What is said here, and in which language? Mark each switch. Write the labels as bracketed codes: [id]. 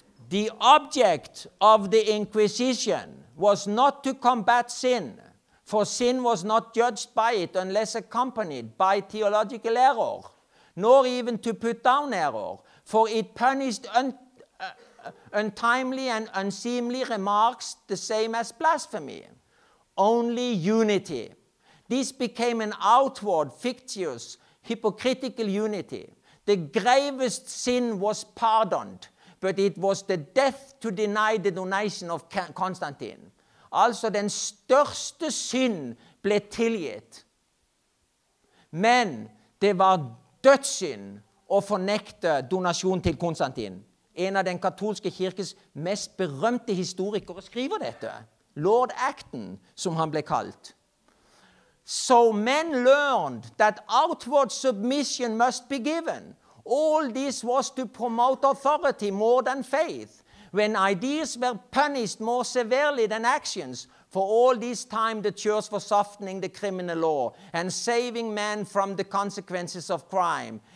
[en] The object of the Inquisition was not to combat sin, for sin was not judged by it unless accompanied by theological error, nor even to put down error, for it punished untimely and unseemly remarks the same as blasphemy. Only unity. This became an outward, fictitious, hypocritical unity. The gravest sin was pardoned, but it was the death to deny the donation of Constantine. [no] Altså, den største synd ble tilgitt. Men det var dødssynd å fornekte donasjon til Konstantin. En av den katolske kirkes mest berømte historikere skriver dette. Lord Acton, som han ble kalt. [en] So men learned that outward submission must be given. All this was to promote authority more than faith. When ideas were punished more severely than actions, for all this time the church was softening the criminal law and saving men from the consequences of crime.